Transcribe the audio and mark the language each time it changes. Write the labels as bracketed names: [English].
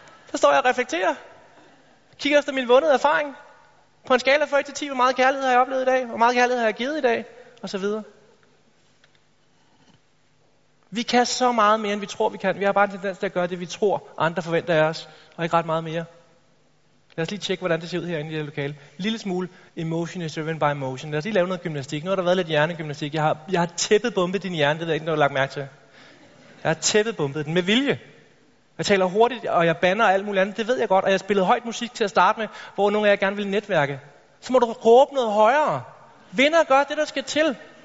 [Danish] Så står jeg og reflekterer. Kigger efter min vundet erfaring. På en skala fra 1-10, hvor meget kærlighed har jeg oplevet i dag? Hvor meget kærlighed har jeg givet i dag? Og så videre. Vi kan så meget mere, end vi tror, vi kan. Vi har bare en tendens til at gøre det, vi tror, andre forventer af os. Og ikke ret meget mere. Lad os lige tjekke, hvordan det ser ud herinde i det her lokale. [English] Lille smule emotion is driven by emotion. [Danish] Lad os lige lave noget gymnastik. Nu har der været lidt hjernegymnastik. Jeg har tæppet bumpet din hjerne, det er ikke noget, du har lagt mærke til. Jeg har tæppet bumpet den med vilje. Jeg taler hurtigt, og jeg banner og alt muligt andet. Det ved jeg godt, og jeg spillede højt musik til at starte med, hvor nogle af jer gerne ville netværke. Så må du råbe noget højere. Vinder gør det, der skal til.